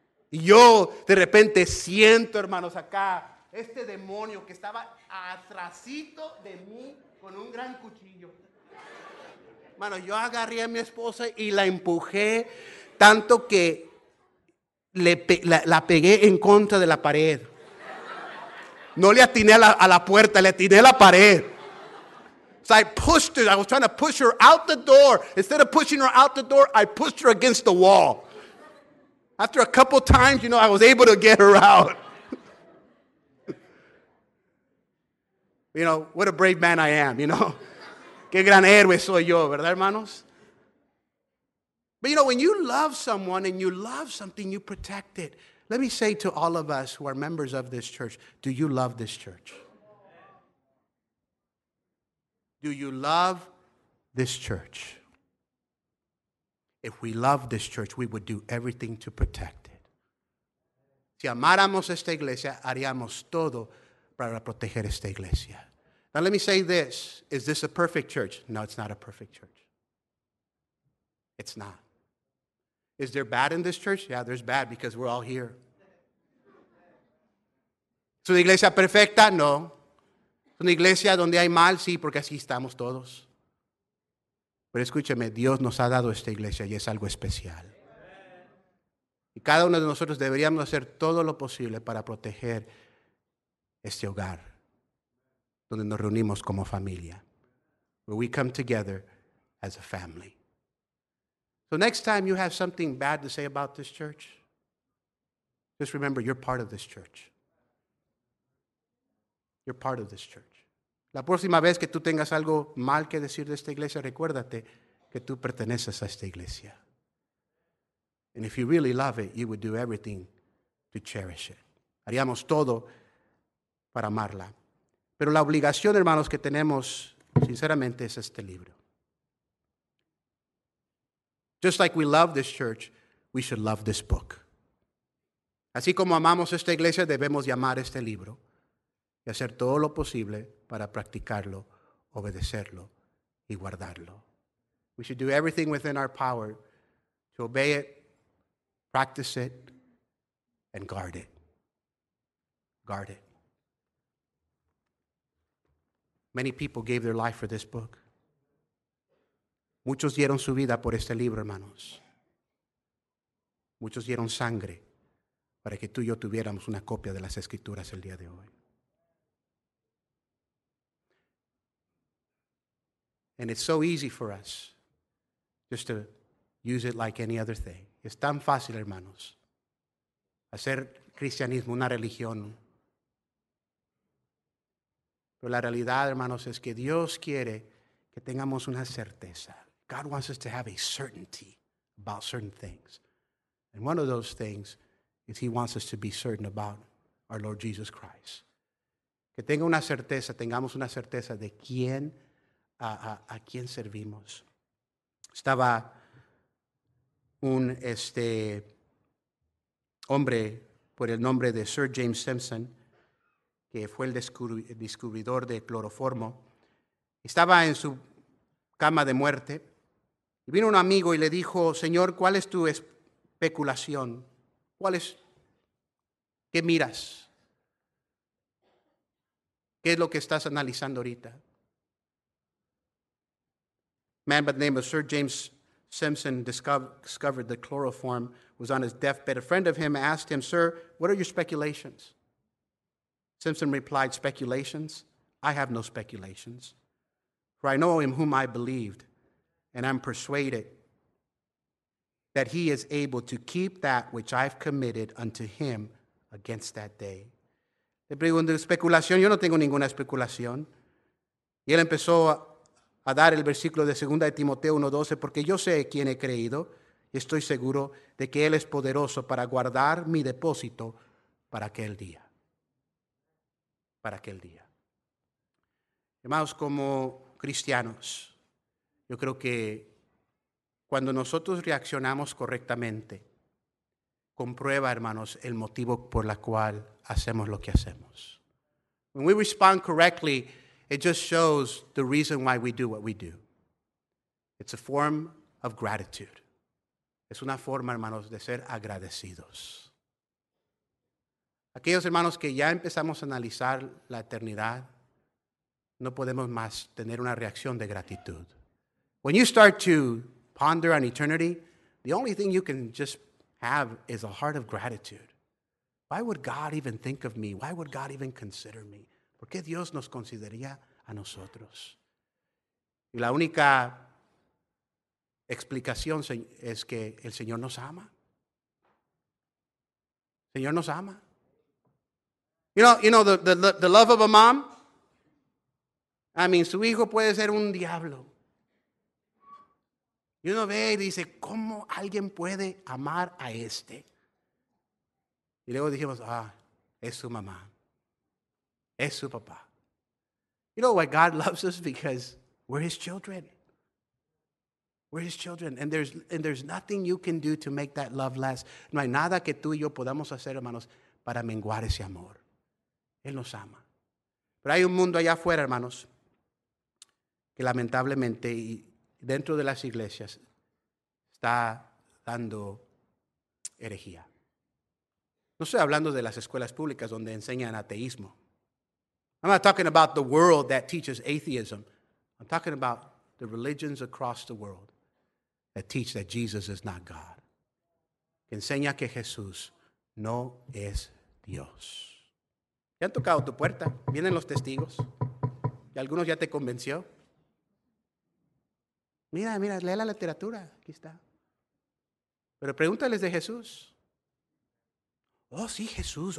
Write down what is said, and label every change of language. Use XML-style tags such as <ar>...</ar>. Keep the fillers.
<es>Y yo de repente siento, hermanos, acá este demonio que estaba atrasito de mí con un gran cuchillo. Hermano, yo agarré a mi esposa y la empujé tanto que le pe- la, la pegué en contra de la pared. No le atiné a la, a la puerta, le atiné a la pared.</es> <en>So I pushed her. I was trying to push her out the door. Instead of pushing her out the door, I pushed her against the wall. After a couple times, you know, I was able to get her out. you know, what a brave man I am, you know.</en> <es>Qué gran héroe soy yo, ¿verdad, hermanos?</es> <en>But you know, when you love someone and you love something, you protect it. Let me say to all of us who are members of this church do you love this church? Do you love this church? If we love this church, we would do everything to protect it.</en> <es>Si amáramos esta iglesia, haríamos todo para proteger esta iglesia.</es> <en>Now, let me say this Is this a perfect church? No, it's not a perfect church. It's not. Is there bad in this church? Yeah, there's bad because we're all here.</en> <es>¿Es una iglesia perfecta? No. ¿Es una iglesia donde hay mal? Sí, porque así estamos todos. Pero escúchame, Dios nos ha dado esta iglesia y es algo especial. Y cada uno de nosotros deberíamos hacer todo lo posible para proteger este hogar donde nos reunimos como familia.</es> <en>Where we come together as a family. So next time you have something bad to say about this church, just remember you're part of this church. You're part of this church.</en> <es>La próxima vez que tú tengas algo mal que decir de esta iglesia, recuérdate que tú perteneces a esta iglesia.</es> <en>And if you really love it, you would do everything to cherish it.</en> <es>Haríamos todo para amarla. Pero la obligación, hermanos, que tenemos, sinceramente, es este libro.</es> <en>Just like we love this church, we should love this book.</en> <es>Así como amamos esta iglesia, debemos llamar este libro y hacer todo lo posible para practicarlo, obedecerlo y guardarlo.</es> <en>We should do everything within our power to obey it, practice it, and guard it. Guard it. Many people gave their life for this book.</en> <es>Muchos dieron su vida por este libro, hermanos. Muchos dieron sangre para que tú y yo tuviéramos una copia de las escrituras el día de hoy.</es> <en>And it's so easy for us just to use it like any other thing.</en> <es>Es tan fácil, hermanos, hacer cristianismo una religión. Pero la realidad, hermanos, es que Dios quiere que tengamos una certeza.</es> <en>God wants us to have a certainty about certain things. And one of those things is He wants us to be certain about our Lord Jesus Christ.</en> <es>Que tenga una certeza, tengamos una certeza de quién, a, a- a quién servimos. Estaba un este, hombre por el nombre de Sir James Simpson, que fue el descubri- el descubridor de cloroformo. Estaba en su cama de muerte y vino un amigo y le dijo, Señor, ¿cuál es tu especulación? ¿Cuál es? ¿Qué miras? ¿Qué es lo que estás analizando ahorita?</es> <en>man by the name of Sir James Simpson discover, discovered that chloroform was on his deathbed. A friend of him asked him, Sir, what are your speculations? Simpson replied, Speculations? I have no speculations. For I know him whom I believed, and I'm persuaded that he is able to keep that which I've committed unto him against that day.</en> <es>Le pregunto, especulación, yo no tengo ninguna especulación. Y él empezó a, a dar el versículo de 2 de Timoteo 1:12, porque yo sé quién he creído y estoy seguro de que Él es poderoso para guardar mi depósito para aquel día. Para aquel día. Hermanos, como cristianos, yo creo que cuando nosotros reaccionamos correctamente, comprueba, hermanos, el motivo por la cual hacemos lo que hacemos.</es> <en>When we respond correctly, It just shows the reason why we do what we do. It's a form of gratitude.</en> <es>Es una forma, hermanos, de ser agradecidos. Aquellos hermanos que ya empezamos a analizar la eternidad, no podemos más tener una reacción de gratitud.</es> <en>When you start to ponder on eternity, the only thing you can just have is a heart of gratitude. Why would God even think of me? Why would God even consider me?</en> <es>¿Por qué Dios nos consideraría a nosotros? Y la única explicación es que el Señor nos ama. El Señor nos ama.</es> <en>You know, you know the, the, the love of a mom. I mean,</en> <es>su hijo puede ser un diablo. Y uno ve y dice, ¿cómo alguien puede amar a este? Y luego dijimos, ah, es su mamá. Es su papá.</es> <en>You know why God loves us? Because we're his children. We're his children. And there's, and there's nothing you can do to make that love less.</en> <es>No hay nada que tú y yo podamos hacer, hermanos, para menguar ese amor. Él nos ama. Pero hay un mundo allá afuera, hermanos, que lamentablemente y dentro de las iglesias está dando herejía. No estoy hablando de las escuelas públicas donde enseñan ateísmo.</es> <en>I'm not talking about the world that teaches atheism. I'm talking about the religions across the world that teach that Jesus is not God.</en> <es>Que enseña que Jesús no es Dios. Ya han tocado tu puerta, vienen los testigos. Y algunos ya te convenció. Mira, mira, lee la literatura, aquí está. Pero pregúntales de Jesús. Oh, sí, Jesús.</es>